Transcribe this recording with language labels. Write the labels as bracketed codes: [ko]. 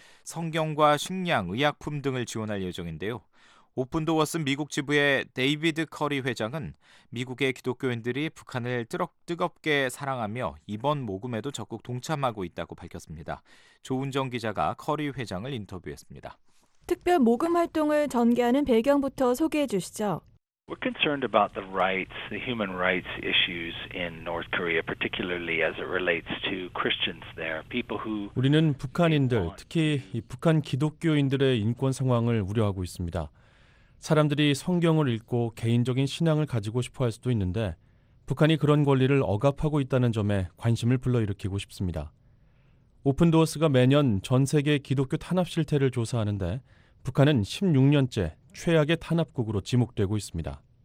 [ko] 성경과 식량, 의약품 등을 지원할 예정인데요. 오픈도어스 미국 지부의 데이비드 커리 회장은 미국의 기독교인들이 북한을 뜨겁게 사랑하며 이번 모금에도 적극 동참하고 있다고 밝혔습니다. 조은정 기자가 커리 회장을 인터뷰했습니다. 특별 모금 활동을 전개하는 배경부터 소개해 주시죠. [en] We're concerned about the rights, the human rights issues in North Korea, particularly as it relates to Christians there, people who [ko] 우리는 북한인들, 특히 이 북한 기독교인들의 인권 상황을 우려하고 있습니다. 사람들이 성경을 읽고 개인적인 신앙을 가지고 싶어 할 수도 있는데 북한이 그런 권리를 억압하고 있다는 점에 관심을 불러일으키고 싶습니다. 오픈도어스가 매년 전 세계 기독교 탄압 실태를 조사하는데 북한은 16년째 최악의 탄압국으로 지목되고 있습니다.